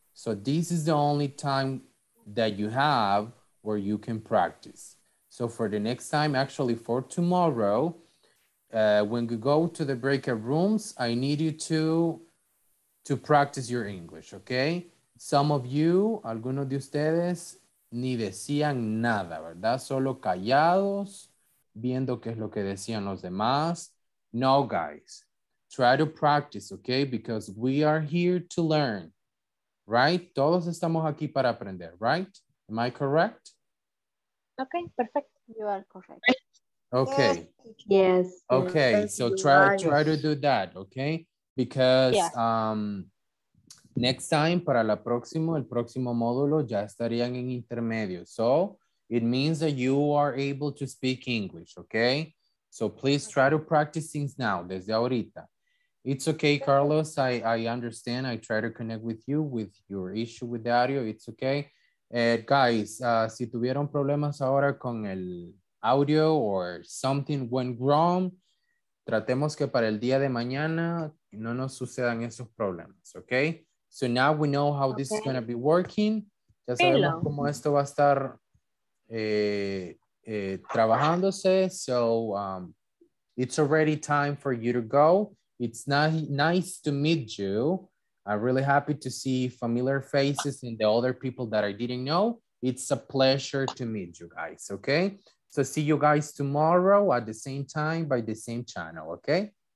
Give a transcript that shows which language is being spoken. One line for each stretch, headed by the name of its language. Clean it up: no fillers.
English: So this is the only time that you have where you can practice. So for the next time, actually for tomorrow, when you go to the breakout rooms, I need you to practice your English, okay? Some of you,
Spanish: algunos de ustedes, ni decían nada, ¿verdad? Solo callados, viendo qué es lo que decían los demás.
English: No, guys. Try to practice, okay? Because we are here to learn, right?
Spanish: Todos estamos aquí para aprender, right?
English: Am I correct? Okay, perfect. You are correct. Okay. Yes. Okay, so try to do that, okay? Because next time,
Spanish: para la próxima, el próximo módulo, ya estarían en intermedio.
English: So it means that you are able to speak English, okay? So please try to practice things now,
Spanish: desde ahorita.
English: It's okay, Carlos. I understand. I try to connect with you with your issue with the audio. It's okay. Guys,
Spanish: si tuvieron problemas ahora con el audio
English: or something went wrong,
Spanish: tratemos que para el día de mañana no nos sucedan esos problemas, okay?
English: So now we know how this is going to be working.
Spanish: Ya sabemos cómo esto va a estar trabajándose.
English: So it's already time for you to go. It's nice to meet you. I'm really happy to see familiar faces and the other people that I didn't know. It's a pleasure to meet you guys, okay? So see you guys tomorrow at the same time by the same channel, okay?